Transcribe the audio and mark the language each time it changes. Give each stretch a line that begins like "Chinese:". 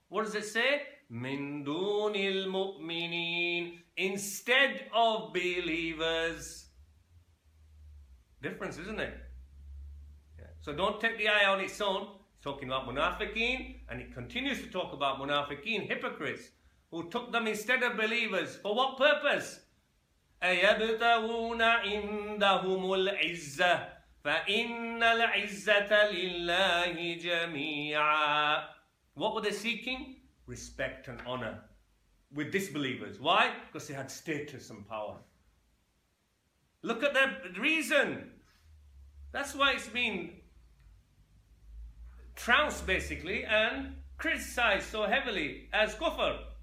English: What does it say? Min dunil mu'minin, instead of believers. Difference, isn't it? Yeah. So don't take the ayah on its own. It's talking about munafiqeen, and it continues to talk about munafiqeen, hypocrites, who took them instead of believers. For what purpose?
Arabic: أَيَبْتَغُونَ عِنْدَهُمُ الْعِزَّةِ فَإِنَّ الْعِزَّةَ لِلَّهِ جَمِيعًا.
English: What were they seeking? Respect and honor with disbelievers. Why? Because they had status and power. Look at their reason. That's why it's been trounced basically and criticized so heavily as kufr.